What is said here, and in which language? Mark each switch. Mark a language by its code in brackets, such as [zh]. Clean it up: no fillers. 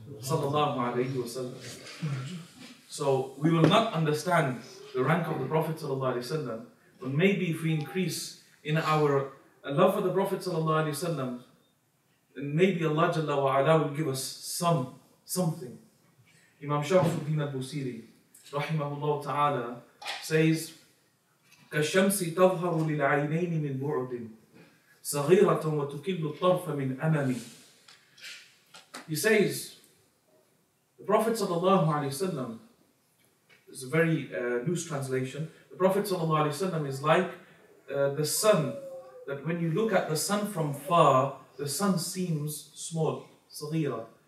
[en] Sallallahu alayhi wa sallam. So we will not understand the rank of the Prophet sallallahu alayhi wa sallam. But maybe if we increase in our love for the Prophet sallallahu alayhi wa sallam, and maybe Allah Jalla wa Ala will give us something. [ar] Imam Shafuddin al-Busiri, rahimahullah ta'ala, [en] says, [ar] كَالشَّمْسِ تَظْهَرُ لِلْعَيْنَيْنِ مِنْ بُعْدٍ صَغِيرَةً وَتُكِلُّ الطَّرْفَ مِنْ أَمَمِ. [en] He says, the Prophet sallallahu alayhi wa sallam, this is a very loose translation, the Prophet sallallahu alayhi wa sallam is like the sun that when you look at the sun from far, the sun seems small, صغيرة.